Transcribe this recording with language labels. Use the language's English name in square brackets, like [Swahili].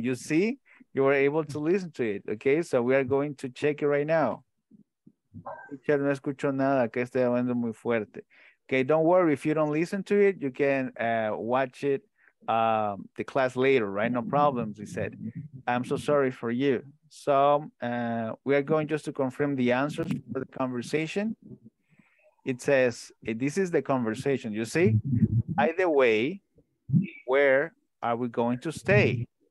[English] You see, you were able to listen to it. Okay, so we are going to check it right now. [Spanish] No escucho nada, que estoy hablando muy fuerte. [English] Okay, don't worry, if you don't listen to it, you can watch it, the class later, right? No problems, he said. I'm so sorry for you. So we are going just to confirm the answers for the conversation. It says, this is the conversation, you see? Either way, where are we going to stay?